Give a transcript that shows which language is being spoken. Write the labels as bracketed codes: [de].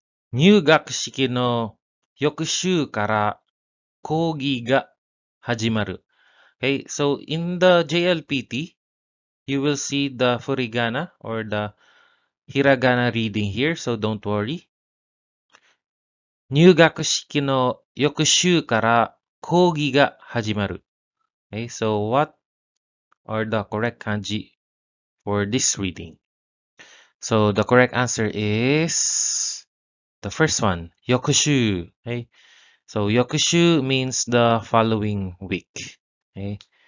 [ja] 入学式の翌週から講義が始まる。 [en] Okay, so in the JLPT, you will see the furigana or the hiragana reading here, so don't worry. [ja] 入学式の翌週から講義が始まる。 [en] Okay, so what are the correct kanji for this reading? So the correct answer is the first one, yokushu. Okay? So yokushu means the following week. Okay?